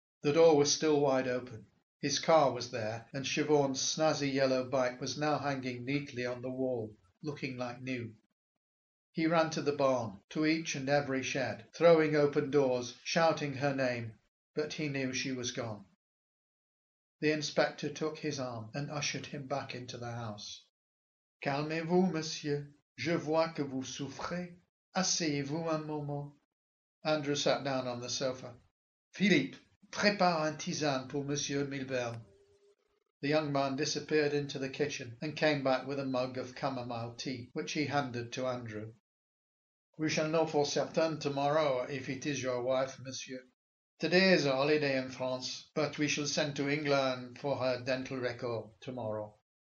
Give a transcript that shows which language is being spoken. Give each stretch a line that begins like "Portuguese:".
English: The door was still wide open. His car was there, and Siobhan's snazzy yellow bike was now hanging neatly on the wall, looking like new. He ran to the barn, to each and every shed, throwing open doors, shouting her name, but he knew she was gone. The inspector took his arm and ushered him back into the house.
French: Calmez-vous, monsieur. Je vois que vous souffrez. Asseyez-vous un moment.
English: Andrew sat down on the sofa.
French: Philippe, prépare un tisane pour monsieur Milburn.
English: The young man disappeared into the kitchen and came back with a mug of chamomile tea, which he handed to Andrew. We shall know for certain tomorrow if it is your wife, monsieur. Today is a holiday in France, but we shall send to England for her dental record tomorrow.